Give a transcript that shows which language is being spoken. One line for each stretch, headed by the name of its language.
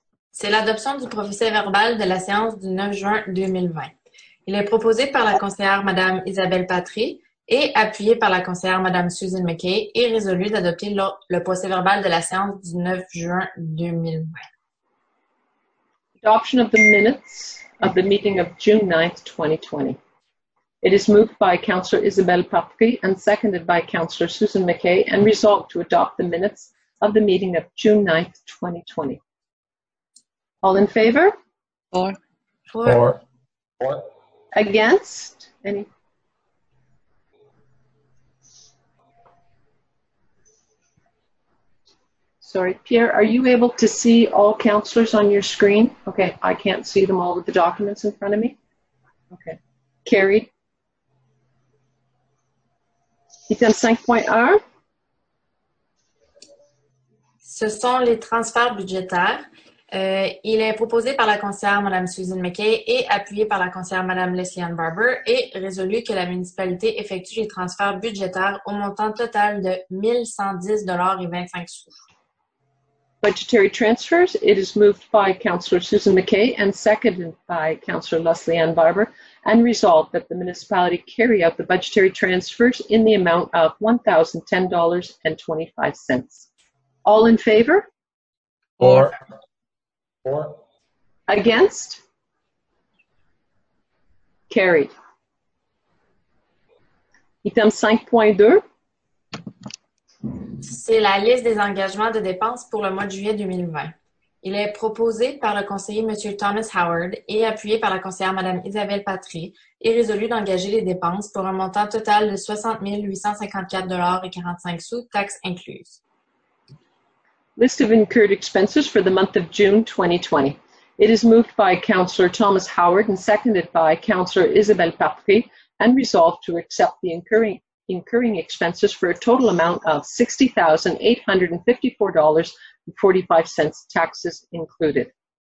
French: C'est l'adoption du procès-verbal de la séance du 9 juin 2020. Il est proposé par la conseillère Madame Isabelle Patry et appuyé par la conseillère Mme Susan McKay, est résolu d'adopter le procès-verbal de la séance du 9 juin 2020.
English: Adoption of the minutes of the meeting of June 9th, 2020. It is moved by Councillor Isabelle Papri and seconded by Councillor Susan McKay and resolved to adopt the minutes of the meeting of June 9th, 2020. All in favor? Four. Against? Any? Sorry, Pierre, are you able to see all councillors on your screen? Okay, I can't see them all with the documents in front of me. Okay. Carried. 5.1.
French: Ce sont les transferts budgétaires. Il est proposé par la conseillère Mme Susan McKay et appuyé par la conseillère Mme Leslie-Anne Barber et résolu que la municipalité effectue les transferts budgétaires au montant total de 1 110,25 $.
English: Budgetary transfers. It is moved by Councillor Susan McKay and seconded by Councillor Leslie-Anne Barber and resolved that the municipality carry out the budgetary transfers in the amount of $1,010.25. All in favor? Four. Against? Carried. Item 5.2.
French: C'est la liste des engagements de dépenses pour le mois de juillet 2020. Il est proposé par le conseiller M. Thomas Howard et appuyé par la conseillère Mme Isabelle Patry et résolu d'engager les dépenses pour un montant total de 60 854,45 $, taxes incluses.
English: List of incurred expenses for the month of June 2020. It is moved by Councillor Thomas Howard and seconded by Councillor Isabelle Patry and resolved to accept the incurring expenses for a total amount of $60,854.45, taxes included.